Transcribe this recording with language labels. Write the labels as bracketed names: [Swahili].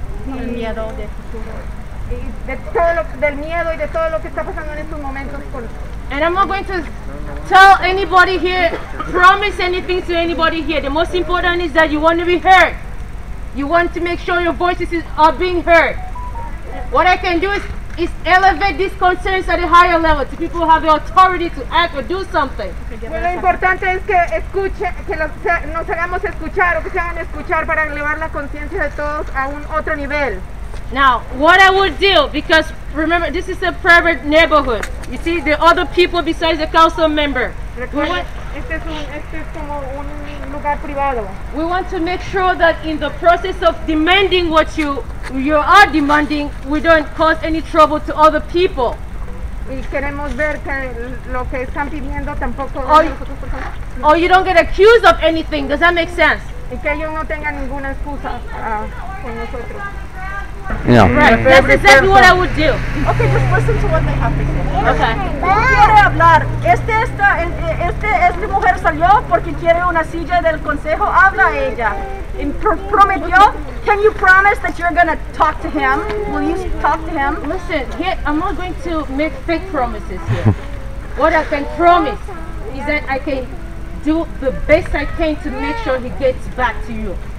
[English] And I'm not going to tell anybody here, promise anything to anybody here. The most important is that you want to be heard. You want to make sure your voices are being heard. What I can do is elevate these concerns at a higher level to people who have the authority to act or do something. [Spanish] Lo importante es que escuche, que nos hagamos escuchar o que se hagan escuchar para elevar la conciencia de todos a un otro nivel. [English] Now, what I would do, because remember, this is a private neighborhood. You see, there are other people besides the council member. We want to make sure that in the process of demanding what you are demanding, we don't cause any trouble to other people. [Spanish] Y queremos ver que lo que están pidiendo tampoco [English] or you don't get accused of anything. Does that make sense? [Spanish] Y que ellos no tengan ninguna excusa con nosotros. [English] Yeah. Right. That's exactly what I would do. Okay, just listen to what they have to say. Okay. [Spanish] Quiere hablar. Esta mujer salió porque quiere una silla del consejo. Habla ella. Prometió. [English] Can you promise that you're gonna talk to him? Will you talk to him? Listen. Here, I'm not going to make fake promises here. What I can promise is that I can do the best I can to make sure he gets back to you.